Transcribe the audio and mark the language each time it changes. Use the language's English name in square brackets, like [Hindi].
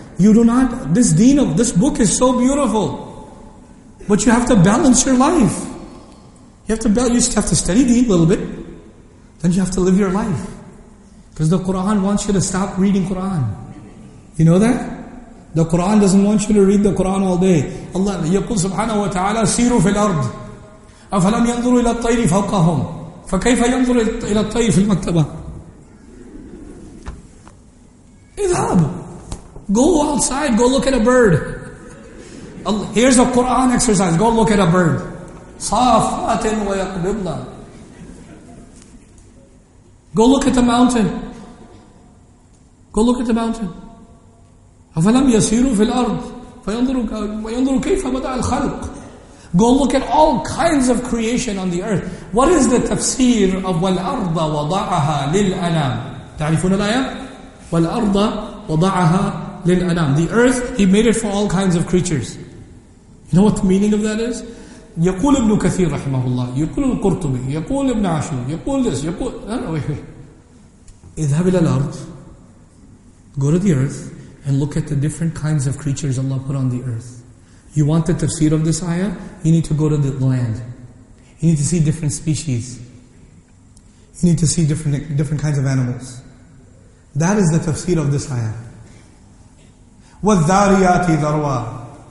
[English] You do not, this deen of, this book is so beautiful. But you have to balance your life. You just have to study deen a little bit. Then you have to live your life. Because the Quran wants you to stop reading Quran. You know that? The Quran doesn't want you to read the Quran all day. [Arabic] Allah يقول سبحانه وتعالى سيروا في الأرض أفلم ينظروا إلى الطير فوقهم فكيف ينظر إلى الطير في المكتبة. اذهب. [English] Go outside, go look at a bird. Here's a Quran exercise, go look at a bird. [Arabic] صافات ويقبضن. [English] Go look at the mountain. Go look at the mountain. [Arabic] أَفَلَمْ يَسِيرُوا فِي الْأَرْضِ فَيَنْظُرُوا كَيْفَ بَدَعَ الْخَلْقِ. [English] Go look at all kinds of creation on the earth. What is the tafsir of [Arabic] وَالْأَرْضَ وَضَعَهَا لِلْأَنَامِ. تعرفون الآية؟ وَالْأَرْضَ وَضَعَهَا لِلْأَنَامِ. [English] The earth, He made it for all kinds of creatures. You know what the meaning of that is? [Arabic] يقول ابن كثير رحمه الله يقول القرطبي يقول ابن عاشور يقول this يقول اذهب إلى الأرض. [English] Go to the earth and look at the different kinds of creatures Allah put on the earth. You want the tafsir of this ayah? You need to go to the land. You need to see different species. You need to see different kinds of animals. That is the tafsir of this ayah. [Arabic] وَالذَّارِيَاتِ ذَرْوَى.